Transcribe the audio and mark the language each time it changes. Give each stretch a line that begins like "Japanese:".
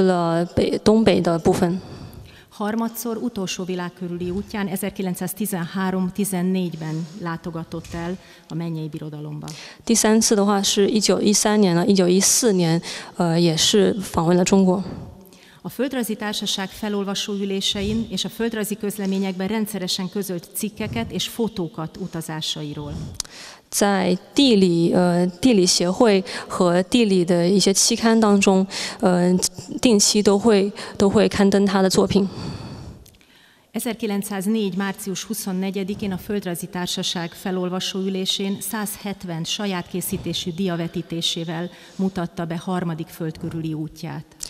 Chinese: 第二次的话，他是1903年来到中国，主要是去了东北的部分。
Hungarian: Harmadszor utolsó világkörüli útján 1913-14-ben látogatott el a mennyei birodalomba.
Chinese: 第三次的话是1913年，1914年，也是访问了中国。
Hungarian: A földrajzi társaság felolvasó ülésein és a földrajzi közleményekben rendszeresen közölt cikkeket és fotókat utazásairól.
Chinese: 在地理协会和地理的一些期刊当中，定期都会刊登他的作品。
Hungarian: 1904. március 24-én a Földrajzi Társaság felolvasó ülésén 170 saját készítésű diavetítésével mutatta be harmadik földkörüli útját.